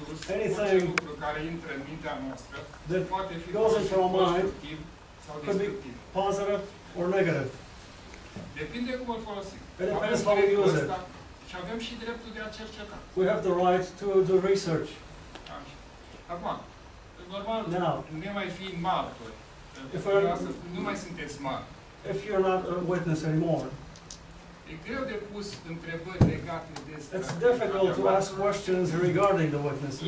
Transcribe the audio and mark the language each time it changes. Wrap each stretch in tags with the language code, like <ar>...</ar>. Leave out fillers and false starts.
<en>Anything that goes into our mind could be positive or negative.</en> <ro>Depinde cum îl folosim.</ro> <en>It depends how we use it.</en> <ro>Și avem și dreptul de a cerceta.</ro> <en>We have the right to do research.</en> <ro>Acum, normal,</ro> <en>now,</en> <ro>ne mai fi martori. Nu mai sunteți martori.</ro> <en>If you're not a witness anymore,</en> <ro>e greu de pus întrebări legate de asta.</ro> <en>It's difficult to ask questions regarding the witnesses.</en>